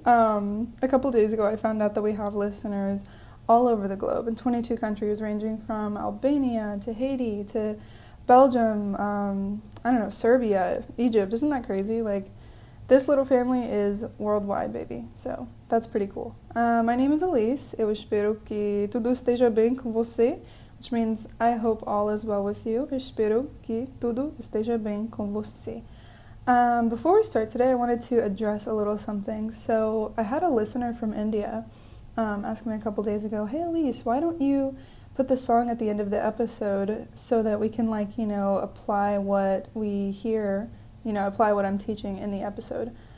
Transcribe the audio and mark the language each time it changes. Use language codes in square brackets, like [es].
[en] A couple days ago, I found out that we have listeners all over the globe, in 22 countries, ranging from Albania to Haiti to Belgium, I don't know, Serbia, Egypt. Isn't that crazy? Like, this little family is worldwide, baby, so that's pretty cool. My name is Elise. [pt] Eu espero que tudo esteja bem com você. [en] Which means, I hope all is well with you. [pt] Espero que tudo esteja bem com você. [en] Before we start today, I wanted to address a little something. So, I had a listener from India ask me a couple days ago, hey Elise, why don't you put the song at the end of the episode so that we can, like, you know, apply what we hear, you know, apply what I'm teaching in the episode.